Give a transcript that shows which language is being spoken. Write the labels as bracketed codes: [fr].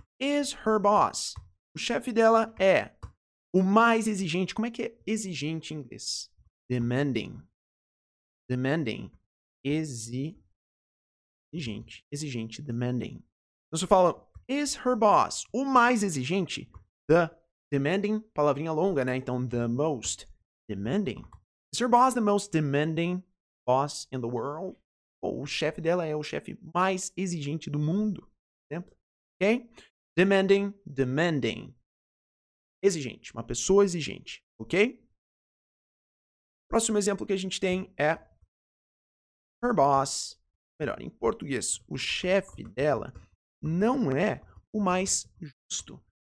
[en] Is her boss. [pt] O chefe dela é o mais exigente. Como é que é exigente em inglês? Demanding. Demanding. Exigente. exigente, exigente, demanding. Então, se eu falo, [en] is her boss [pt] o mais exigente? The demanding, palavrinha longa, né? Então, [en] the most demanding. Is her boss the most demanding boss in the world? [pt] Ou o chefe dela é o chefe mais exigente do mundo? Exemplo, ok? Demanding, demanding. Exigente, uma pessoa exigente, ok? Próximo exemplo que a gente tem é her boss, melhor, em português, o chefe dela não é o mais justo.